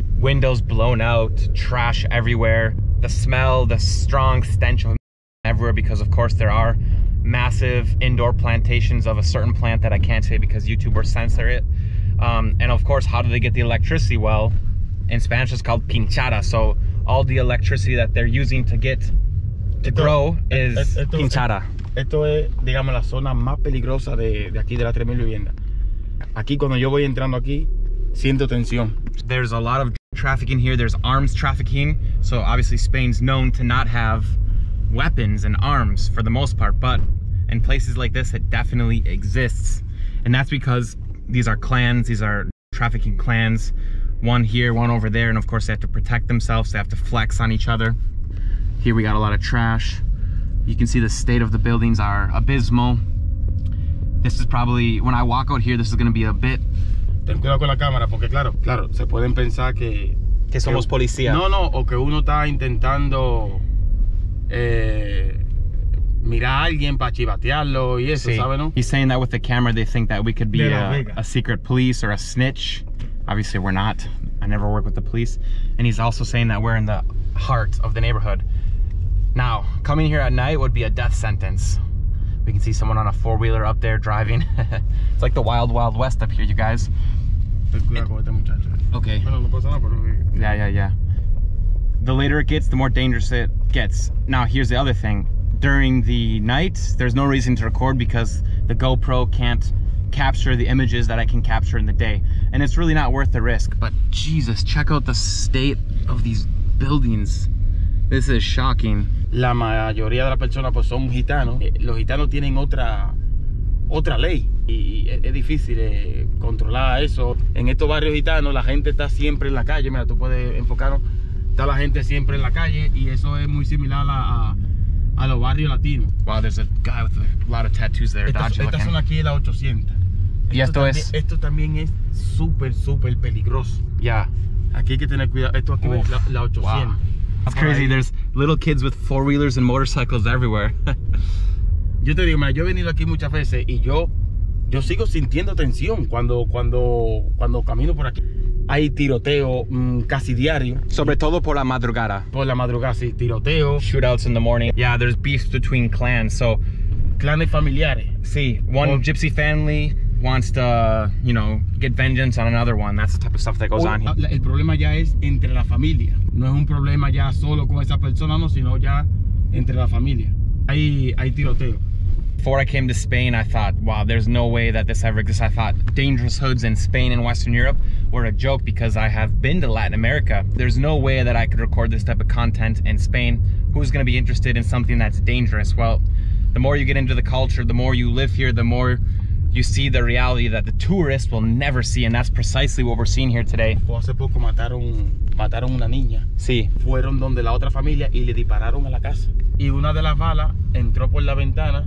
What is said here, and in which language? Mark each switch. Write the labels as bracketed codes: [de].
[en] Windows blown out, trash everywhere. The smell, the strong stench of everywhere, because of course there are massive indoor plantations of a certain plant that I can't say because YouTubers censor it. And of course, how do they get the electricity? Well, in Spanish it's called pinchada. So all the electricity that they're using to get to grow is pinchada. [es] Esto es, digamos, la zona más peligrosa de aquí, de la 3000 vivienda. Aquí, cuando yo voy entrando aquí, siento tensión. [en] There's a lot of trafficking here. There's arms trafficking. So obviously Spain's known to not have weapons and arms for the most part, but in places like this it definitely exists, and that's because these are clans, these are trafficking clans, one here, one over there, and of course they have to protect themselves, they have to flex on each other. Here we got a lot of trash. You can see the state of the buildings are abysmal. This is probably, when I walk out here, this is going to be a bit. [es] Ten cuidado con la cámara porque claro se pueden pensar que somos policía. No, o que uno está intentando mirar a alguien para chivatearlo y eso, sí. ¿Sabe, no? [en] He's saying that with the camera, they think that we could be a secret police or a snitch. Obviously, we're not. I never work with the police. And he's also saying that we're in the heart of the neighborhood. Now, coming here at night would be a death sentence. We can see someone on a four-wheeler up there driving. It's like the wild, wild west up here, you guys. Okay. Yeah. The later it gets, the more dangerous it gets. Now, here's the other thing. During the night, there's no reason to record because the GoPro can't capture the images that I can capture in the day. And it's really not worth the risk. But Jesus, check out the state of these buildings. This is shocking. [es] La mayoría de las personas pues son gitanos. Los gitanos tienen otra ley. Y es difícil controlar eso. En estos barrios gitanos, la gente está siempre en la calle. Mira, tú puedes enfocarlo. Está la gente siempre en la calle y eso es muy similar a los barrios latinos. [en] Wow, there's a guy with a lot of tattoos there. [es] Estas son aquí las 800. Y esto es. Esto también es súper, súper peligroso. [en] Yeah. [es] Aquí hay que tener cuidado. Esto aquí es la 800. [en] Wow. That's crazy. There's little kids with four-wheelers and motorcycles everywhere. [es] Yo te digo, mira, yo he venido aquí muchas veces y yo sigo sintiendo tensión cuando camino por aquí. Hay tiroteo casi diario. Sobre todo por la madrugada. Por la madrugada, sí, tiroteo. [en] Shootouts in the morning. Yeah, there's beefs between clans, so. [es] Clanes familiares. [en] Sí, one gypsy family wants to, you know, get vengeance on another one. That's the type of stuff that goes on here. [es] El problema ya es entre la familia. No es un problema ya solo con esa persona, no, sino ya entre la familia. Hay tiroteo. [en] Before I came to Spain, I thought, wow, there's no way that this ever exists. I thought dangerous hoods in Spain and Western Europe were a joke because I have been to Latin America. There's no way that I could record this type of content in Spain. Who's gonna be interested in something that's dangerous? Well, the more you get into the culture, the more you live here, the more you see the reality that the tourists will never see, and that's precisely what we're seeing here today. [es] Hace poco mataron una niña. Sí. Fueron donde la otra familia y le dispararon a la casa. Y una de las balas entró por la ventana.